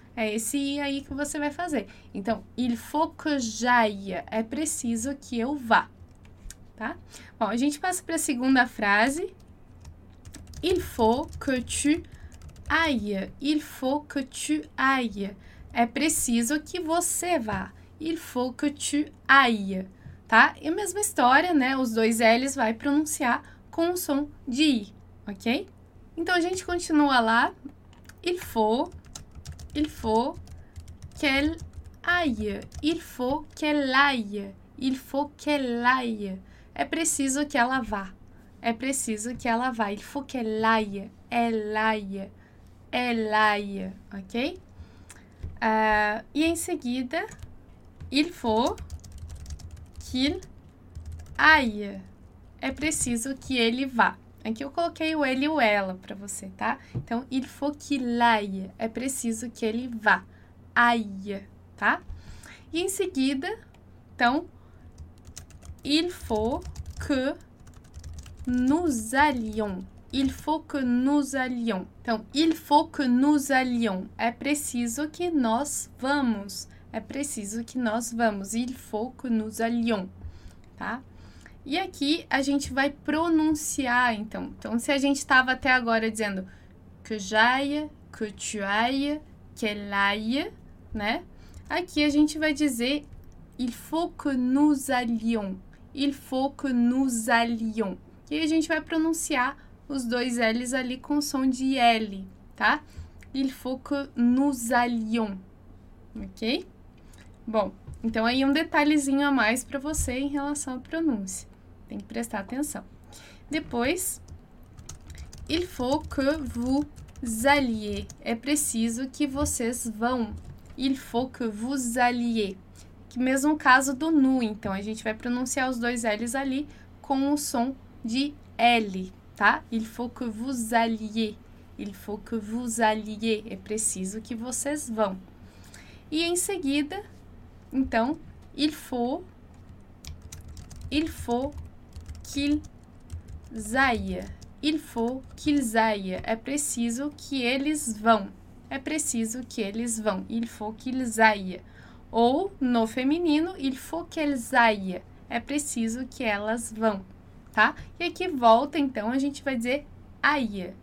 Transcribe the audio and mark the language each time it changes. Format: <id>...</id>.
<pt>É esse I aí que você vai fazer.</pt> <fr>Então, il faut que j'aille.</fr> <pt>É preciso que eu vá. Tá? Bom, a gente passa para a segunda frase.</pt> <fr>Il faut que tu ailles. Il faut que tu ailles.</fr> <pt>É preciso que você vá.</pt> <fr>Il faut que tu ailles.</fr> <pt>Tá? E a mesma história, né? Os dois L's vai pronunciar com o som de I, ok? Então a gente continua lá.</pt> <fr>Il faut qu'elle aille. Il faut qu'elle aille. Il faut qu'elle aille.</fr> <pt>É preciso que ela vá. É preciso que ela vá.</pt> <fr>Il faut qu'elle aille. Elle aille. Elle aille. Ok?</fr> <pt>E em seguida,</pt> <fr>il faut qu'il aille.</fr> <pt>É preciso que ele vá. Aqui eu coloquei o ele e o ela para você, tá?</pt> <fr>Então, il faut qu'il aille.</fr> <pt>É preciso que ele vá. Aille, tá? E em seguida, então,</pt> <fr>il faut que nous allions. Il faut que nous allions. Então, il faut que nous allions.</fr> <pt>É preciso que nós vamos. É preciso que nós vamos.</pt> <fr>Il faut que nous allions.</fr> <pt>Tá? E aqui a gente vai pronunciar, então. Então, se a gente estava até agora dizendo</pt> <fr>que j'aille, que tu ailles, qu'elle aille,</fr> <pt>né? Aqui a gente vai dizer</pt> <fr>il faut que nous allions. Il faut que nous allions.</fr> <pt>E a gente vai pronunciar os dois L's ali com som de L, tá?</pt> <fr>Il faut que nous allions, ok?</fr> <pt>Bom, então aí um detalhezinho a mais para você em relação à pronúncia. Tem que prestar atenção.</pt> <fr>Depois, il faut que vous alliez.</fr> <pt>É preciso que vocês vão.</pt> <fr>Il faut que vous alliez.</fr> <pt>Que mesmo caso do nu, então, a gente vai pronunciar os dois L's ali com o som de L, tá?</pt> <fr>Il faut que vous alliez. Il faut que vous alliez.</fr> <pt>É preciso que vocês vão. E em seguida, então,</pt> <fr>il faut qu'ils aillent.</fr> <pt>Il faut qu'ils aillent. É preciso que eles vão. é preciso que eles vão.</pt> <fr>Il faut qu'ils aillent.</fr> <pt>Ou no feminino,</pt> <fr>il faut qu'elles aillent.</fr> <pt>É preciso que elas vão, tá? E aqui volta, então, a gente vai dizer aille.</pt>